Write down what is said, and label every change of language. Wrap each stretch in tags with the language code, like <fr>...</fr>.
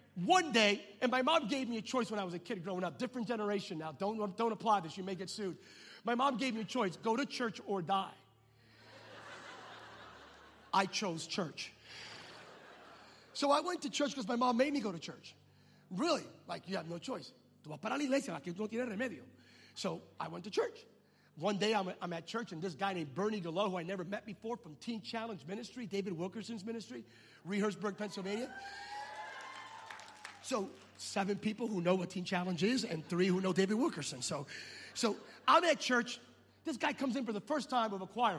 <en>One day, and my mom gave me a choice when I was a kid growing up. Different generation now. Don't apply this. You may get sued. My mom gave me a choice. Go to church or die. I chose church. So I went to church because my mom made me go to church. Really? Like, you have no choice.</en> <es>Tú vas para la iglesia, aquí no tienes remedio.</es> <en>So I went to church. One day, I'm at church, and this guy named Bernie Gallo, who I never met before, from Teen Challenge Ministry, David Wilkerson's ministry, Rehersburg, Pennsylvania. So seven people who know what Teen Challenge is and three who know David Wilkerson. So I'm at church. This guy comes in for the first time with a choir.</en>